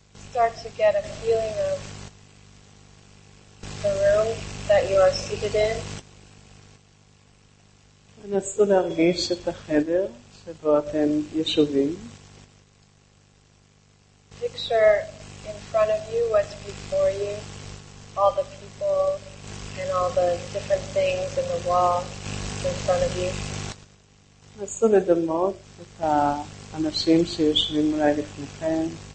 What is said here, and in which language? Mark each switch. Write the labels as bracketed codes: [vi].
[en] Start to get a feeling of the room that you are seated in. [he] תנסו להרגיש את החדר שבו אתם יושבים. [en] Picture in front of you what's before you, all the people and all the different things in the wall in front of you. [he] תנסו לדמות את האנשים שיושבים אולי לפניכם.